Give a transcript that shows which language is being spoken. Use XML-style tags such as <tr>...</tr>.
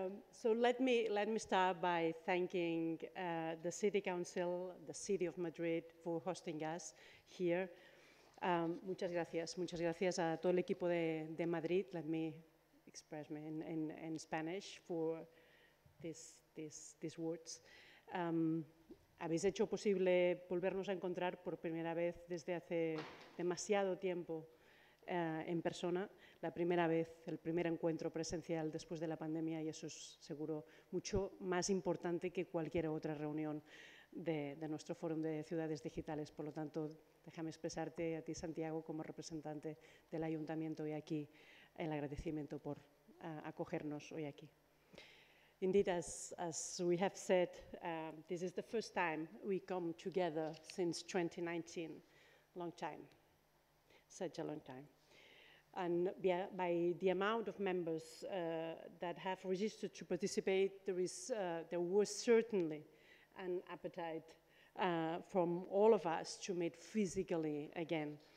<en>So let me start by thanking the City Council, the City of Madrid, for hosting us here.</en> <es>Muchas gracias. Muchas gracias a todo el equipo de Madrid.</es> <en>Let me express me in Spanish for these words.</en> <es>Habéis hecho posible volvernos a encontrar por primera vez desde hace demasiado tiempo en persona, la primera vez, el primer encuentro presencial después de la pandemia, y eso es seguro mucho más importante que cualquier otra reunión de nuestro Foro de Ciudades Digitales. Por lo tanto, déjame expresarte a ti, Santiago, como representante del Ayuntamiento y aquí, el agradecimiento por acogernos hoy aquí.</es> <en>Indeed, as we have said, this is the first time we come together since 2019. Long time, such a long time. And by the amount of members that have registered to participate, there was certainly an appetite from all of us to meet physically again.</en>